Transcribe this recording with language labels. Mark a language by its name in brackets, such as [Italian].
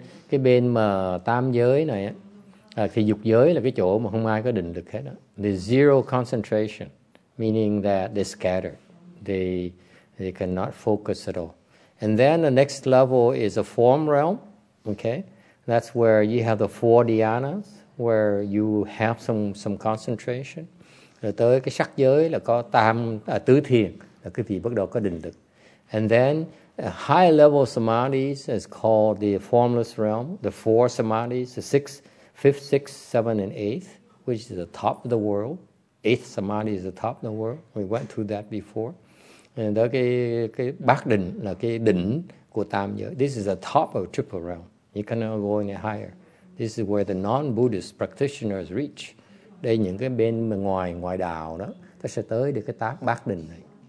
[Vietnamese] Cái bên mà tam giới này thì dục giới là cái chỗ mà không ai có định lực hết đó. [English] The zero concentration, meaning that they're scattered, they cannot focus at all. And then the next level is a form realm. Okay, that's where you have the four dhyanas, where you have some concentration. [Vietnamese] Rồi tới cái sắc giới là có tứ thiền, là cái vị bắt đầu có định lực. [English] And then a high level samadhis is called the formless realm, the four samadhis, the six, fifth, sixth, seventh, and eighth, which is the top of the world. Eighth samadhi is the top of the world. We went through that before. [Vietnamese] And đó cái bát định là cái đỉnh của tam giới. [English] This is the top of triple realm. You cannot go any higher. This is where the non-Buddhist practitioners reach. [Vietnamese] Đây những cái bên ngoài đạo đó, ta sẽ tới được cái tác bát định này.